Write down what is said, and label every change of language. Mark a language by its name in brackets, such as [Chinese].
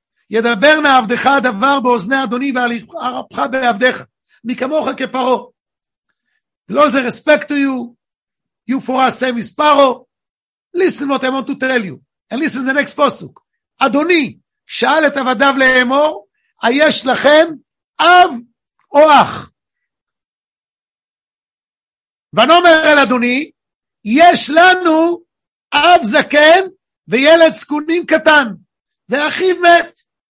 [Hebrew] ידבר נא עבדך הדבר באוזני אדוני ועל הרבך בעבדך, מכמוך כפרו. [English] All the respect to you, you for us same as Paro. Listen what I want to tell you. And listen the next פסוק. [Hebrew] אדוני, שאל את עבדיו לאמור, היש לכם אב או אח? ונאמר אל אדוני, יש לנו אב זקן וילד זקונים קטן, ואחיו מת.